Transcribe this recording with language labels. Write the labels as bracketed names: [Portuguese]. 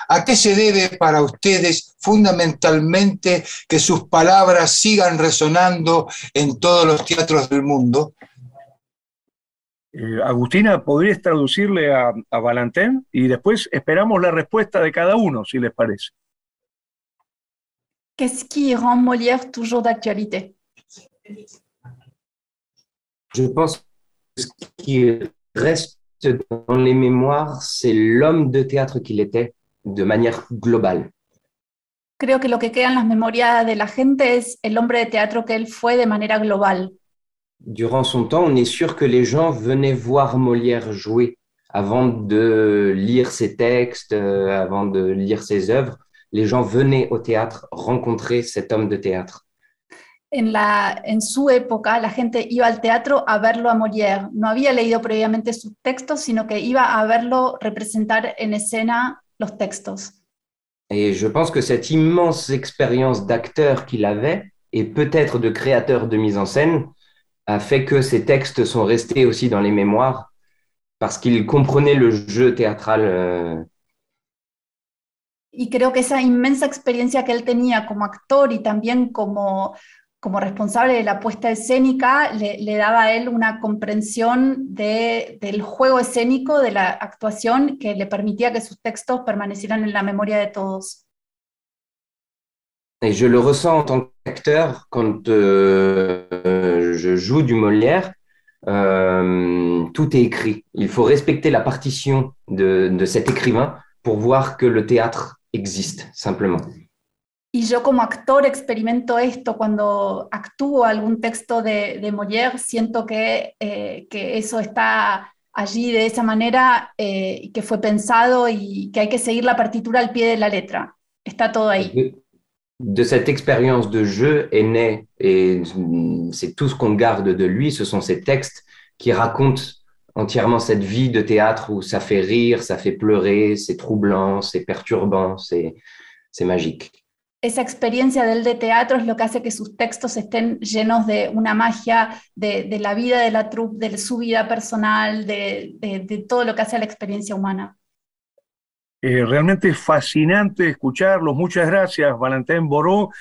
[Spanish] ¿A qué se debe para ustedes fundamentalmente que sus palabras sigan resonando en todos los teatros del mundo? Agustina, ¿podrías traducirle a Valentin? Y después esperamos la respuesta de cada uno, si les parece. [French] Qu'est-ce qui rend Molière toujours d'actualité? Je pense que ce qui reste dans les mémoires, c'est l'homme de théâtre qu'il était de manière globale. [Spanish] Creo que lo que queda en las memorias de la gente es el hombre de teatro que él fue de manera global. [French] Durant son temps, on est sûr que les gens venaient voir Molière jouer avant de lire ses textes, avant de lire ses œuvres. Les gens venaient au théâtre rencontrer cet homme de théâtre. [Spanish] En su época, la gente iba al teatro a verlo a Molière. No había leído previamente sus textos, sino que iba a verlo representar en escena los textos. [French] Et je pense que cette immense expérience d'acteur qu'il avait, et peut-être de créateur de mise en scène, a fait que ses textes sont restés aussi dans les mémoires, parce qu'il comprenait le jeu théâtral. [Spanish] Y creo que esa inmensa experiencia que él tenía como actor y también como responsable de la puesta escénica le daba a él una comprensión del juego escénico, de la actuación, que le permitía que sus textos permanecieran en la memoria de todos. [French] Et je le ressens en tant qu'acteur quand je joue du Molière, tout est écrit. Il faut respecter la partition de cet écrivain pour voir que le théâtre existe simplement. [Spanish] Y yo como actor experimento esto cuando actúo algún texto de Molière, siento que eso está allí de esa manera, que fue pensado y que hay que seguir la partitura al pie de la letra. Está todo ahí. [French] De cette expérience de jeu est né, et c'est tout ce qu'on garde de lui, ce sont ses textes qui racontent entièrement cette vie de théâtre où ça fait rire, ça fait pleurer, c'est troublant, c'est perturbant, c'est magique. [Spanish] Esa experiencia del de teatro es lo que hace que sus textos estén llenos de una magia, de la vida de la troupe, de su vida personal, de todo lo que hace a la experiencia humana. Realmente fascinante escucharlos. Muchas gracias, Valentin Borot.